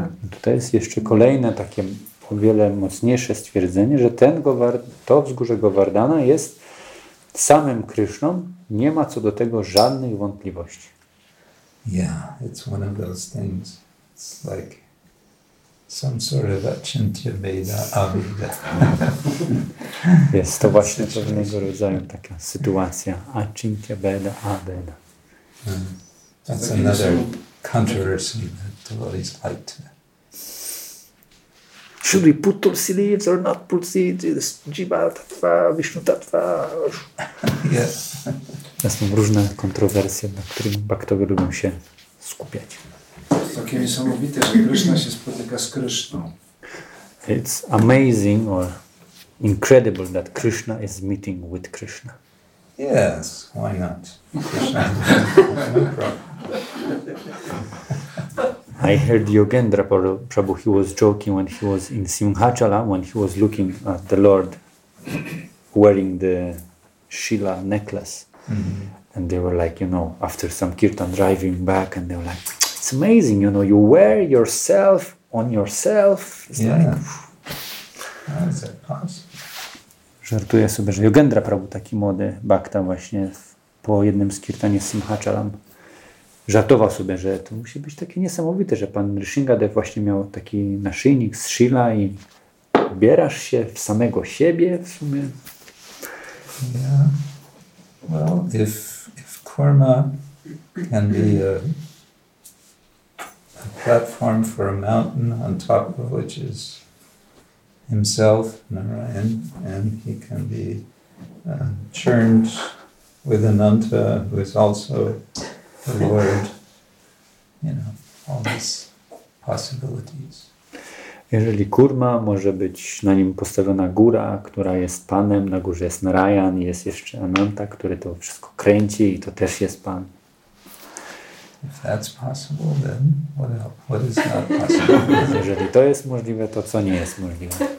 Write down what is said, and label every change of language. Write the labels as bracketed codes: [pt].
[pl] Tutaj jest jeszcze kolejne takie o wiele mocniejsze stwierdzenie, że ten to wzgórze Govardhana jest samym Kryszną, nie ma co do tego żadnych wątpliwości. [en] Yeah, it's one of those things. It's like some sort of Achintya Veda Abhida. [pl] Jest to właśnie pewnego rodzaju taka sytuacja. [sa] Achintya Veda Abhida. [en] That's another controversy that devotees like to. Should we put tulsi leaves or not put seeds? Jiva tattva, Vishnu tattva. Yes. [pl] To są różne kontrowersje, na których baktowie lubią się skupiać. Takie niesamowite, że Krishna się spotyka z Krishną. [en] It's amazing or incredible that Krishna is meeting with Krishna. Yes, why not? I heard Yogendra Prabhu, he was joking when he was in Simhachala, when he was looking at the Lord wearing the Shila necklace. Mm-hmm. And they were like, you know, after some kirtan driving back, and they were like, it's amazing, you know, you wear yourself on yourself. It's yeah. Like, that's awesome. [pl] Żartuję sobie, że Yogendra Prabhu, taki młody bhakta właśnie po jednym z kirtanie z Simhachalam, żartował sobie, że to musi być takie niesamowite, że pan Nrsingadev właśnie miał taki naszyjnik z Shila i ubierasz się w samego siebie w sumie. [en] Yeah. Well, if karma can be a platform for a mountain on top of which is himself, Narayan, and he can be churned with Ananta, who is also the Lord, you know, all these possibilities. [pl] Jeżeli kurma może być na nim postawiona góra, która jest Panem, na górze jest Narayan, jest jeszcze Ananta, który to wszystko kręci i to też jest Pan. [en] If that's possible, then what is not possible? [pl] Jeżeli to jest możliwe, to co nie jest możliwe?